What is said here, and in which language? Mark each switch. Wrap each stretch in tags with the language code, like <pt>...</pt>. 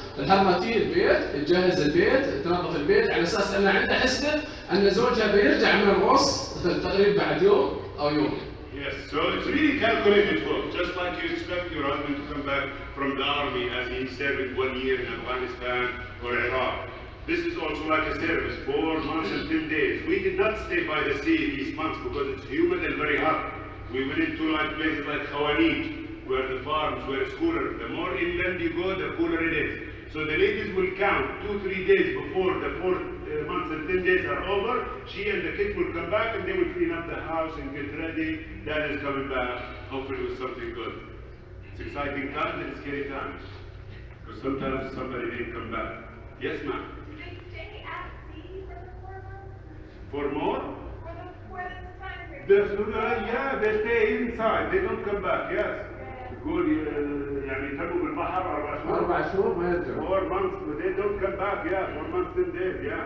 <ar>الهرماتيه البيت، تجهز البيت، تنظف البيت على اساس ان عندها حسبه ان زوجها بيرجع من الروس تقريبا بعد يوم او يومين.</ar> <en>Yes, so it's really calculated for, just like you expect your husband to come back from the army as he served 1 year in Afghanistan or Iraq. This is also like a service, 4 months and 10 days. We did not stay by the sea these months because it's humid and very hot. We went into like places like Khawanid, where the farms, where it's cooler. The more inland you go, the cooler it is. So the ladies will count 2-3 days before the 4 months and 10 days are over. She and the kid will come back and they will clean up the house and get ready. Dad is coming back, hopefully with something good. It's exciting times and scary times. Because sometimes somebody didn't come back. Yes, ma'am? Do they stay at sea for the 4 months? For more? For the time period? Yeah, they stay inside. They don't come back, yes.</en> <ar>يقول يعني تبوا بالبحر 4 شهور ما يرجع</ar> <en>4 months and they don't come back yeah 4 months and days</en>